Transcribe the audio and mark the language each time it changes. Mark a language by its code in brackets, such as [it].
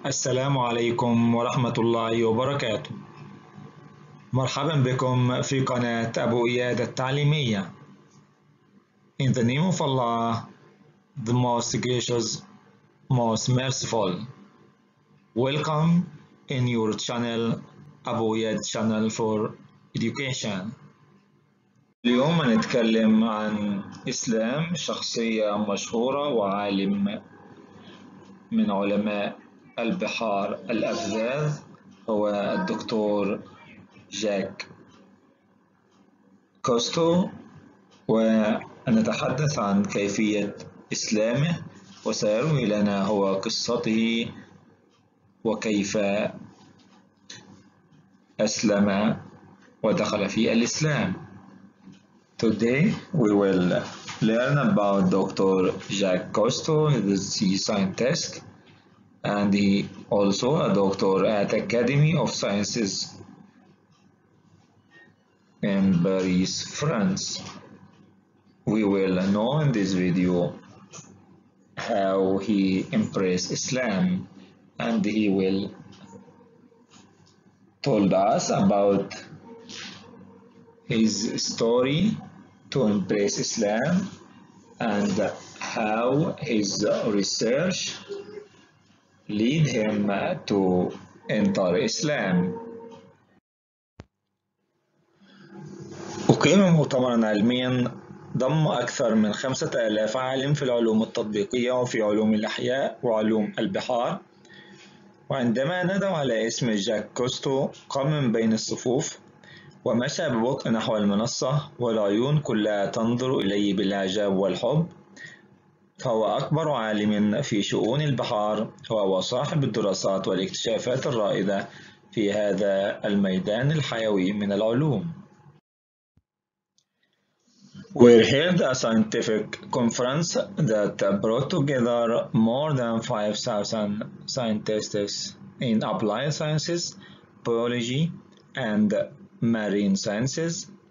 [ar] السلام عليكم ورحمة الله وبركاته. مرحبا بكم في قناة أبو إياد التعليمية. [en] In the name of Allah, the most gracious, most merciful. Welcome in your channel, Abu Iyad channel for education. [ar] اليوم نتكلم عن إسلام، شخصية مشهورة وعالم من علماء البحار الأفذاذ، هو الدكتور جاك كوستو، ونتحدث عن كيفية إسلامه، وسيروي لنا هو قصته وكيف أسلم ودخل في الإسلام. [en] Today we will learn about Dr. Jacques Cousteau, the sea scientist, and he also a doctor at Academy of Sciences in Paris, France. We will know in this video how he embraced Islam, and he will told us about his story to embrace Islam and how his research lead him to enter Islam. [ar] أقيم مؤتمرا علميا ضم أكثر من 5000 عالم في العلوم التطبيقية وفي علوم الأحياء وعلوم البحار، وعندما ندعو على اسم جاك كوستو قام من بين الصفوف ومشى ببطء نحو المنصة والعيون كلها تنظر إليه بالإعجاب والحب، فهو أكبر عالم في شؤون البحار، وهو صاحب الدراسات والاكتشافات الرائدة في هذا الميدان الحيوي من العلوم. [en] We held a scientific conference that brought together more than 5,000 scientists in applied sciences, biology, and marine sciences.